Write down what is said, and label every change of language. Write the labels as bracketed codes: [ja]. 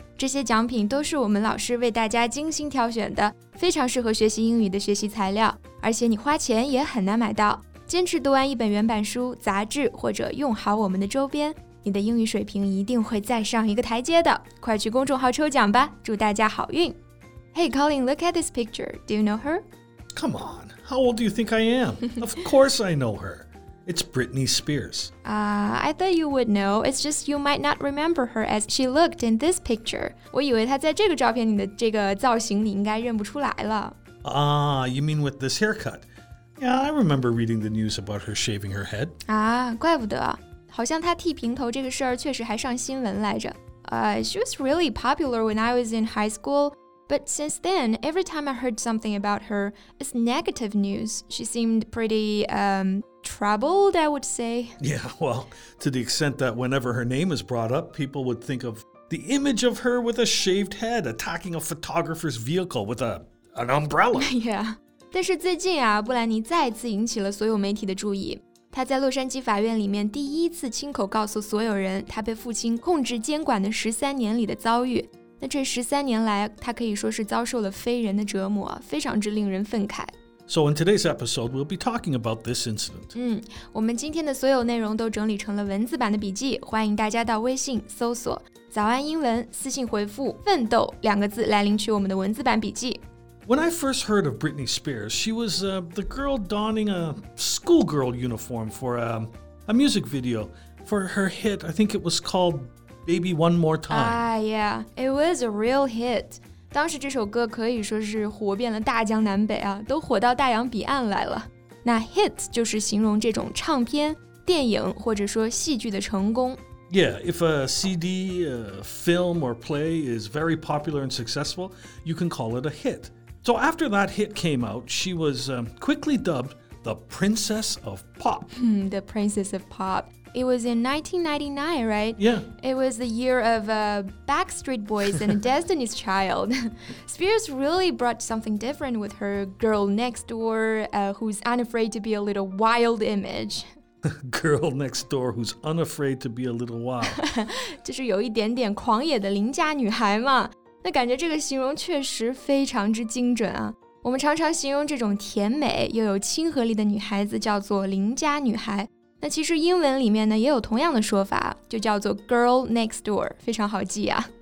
[zh] 这些奖品都是我们老师为大家精心挑选的，非常适合学习英语的学习材料，而且你花钱也很难买到。坚持读完一本原版书、杂志，或者用好我们的周边，你的英语水平一定会再上一个台阶的。快去公众号抽奖吧，祝大家好运。 [en] Hey Colin, look at this picture. Do you know her? Come on, how old do you think I am? Of course I know her. It's Britney Spears. I thought you would know. It's just you might not remember her as she looked in this picture. [zh] 我以为她在这个照片里的这个造型你应该认不出来了。 [en] You mean with this haircut? Yeah, I remember reading the news about her shaving her head. [zh] 怪不得。好像她剃平头这个事儿确实还上新闻来着。 [en] She was really popular when I was in high school. But since then, every time I heard something about her, it's negative news. She seemed pretty, troubled, I would say. Yeah, well, to the extent that whenever her name is brought up, people would think of the image of her with a shaved head attacking a photographer's vehicle with an umbrella. Yeah. [zh] 但是最近啊，布兰妮再次引起了所有媒体的注意。她在洛杉矶法院里面第一次亲口告诉所有人她被父亲控制监管的13年里的遭遇。那这13年来，她可以说是遭受了非人的折磨，非常之令人愤慨。 [en] So in today's episode, we'll be talking about this incident. [zh] 我们今天的所有内容都整理成了文字版的笔记，欢迎大家到微信搜索“早安英文”，私信回复“奋斗”两个字来领取我们的文字版笔记。 [en] When I first heard of Britney Spears, she was the girl donning a schoolgirl uniform for a music video for her hit. I think it was called "Baby One More Time." Yeah, it was a real hit. [zh] 当时这首歌可以说是火遍了大江南北啊，都火到大洋彼岸来了。那 hit 就是形容这种唱片、电影或者说戏剧的成功。 [en] Yeah, if a CD, a film or play is very popular and successful, you can call it a hit. So after that hit came out, she was quickly dubbed the Princess of Pop. The Princess of Pop. It was in 1999, right? Yeah. It was the year of Backstreet Boys and Destiny's Child. Spears really brought something different with her girl next door, who's unafraid to be a little wild image. Girl next door who's unafraid to be a little wild. [zh] 就是有一点点狂野的邻家女孩嘛。那感觉这个形容确实非常之精准啊。我们常常形容这种甜美又有亲和力的女孩子叫做邻家女孩。那其实英文里面呢也有同样的说法，就叫做 [en] girl next door, [zh] 非常好记啊。